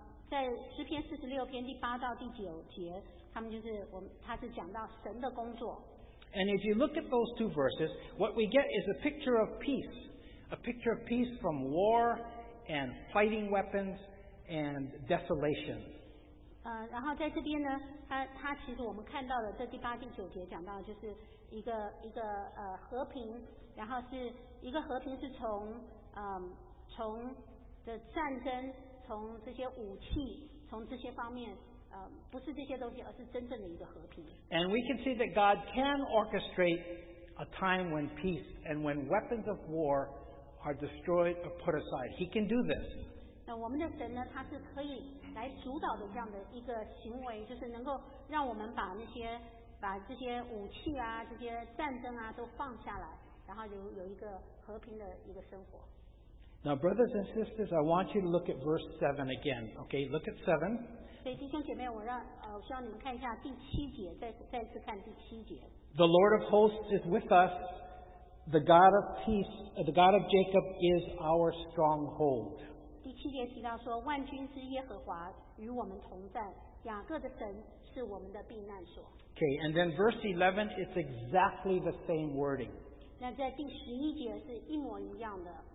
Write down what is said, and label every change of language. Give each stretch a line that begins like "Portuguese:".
Chinese: 在诗篇46篇第8到第9节, 他是讲到神的工作。
English: And if you look at those two verses, what we get is a picture of peace. A picture of peace from war and fighting weapons and desolation.
Chinese: 然后在这边呢, 他其实我们看到的这第八、第九节讲到就是一个和平, 然后是一个和平是从战争, 从这些武器, 从这些方面, 不是这些东西, 而是真正的一个和平。
English: And we can see that God can orchestrate a time when peace and when weapons of war are destroyed or put aside. He can do this.
Chinese: 那我们的神呢, 祂是可以来主导的这样的一个行为, 就是能够让我们把那些, 把这些武器啊, 这些战争啊, 都放下来, 然后有一个和平的一个生活。
English: Now, brothers and sisters, I want you to look at verse 7 again. Okay, look at 7.
Chinese: 所以弟兄姐妹, 我希望你们看一下第七节, 再次看第七节。
English: The Lord of hosts is with us. The God of peace, the God of Jacob is our stronghold.
Chinese: 第七节提到说, 万军之耶和华与我们同战, 雅各的神是我们的避难所。
English: Okay, and then verse 11, it's exactly the same wording.
Chinese: 那在第十一节是一模一样的。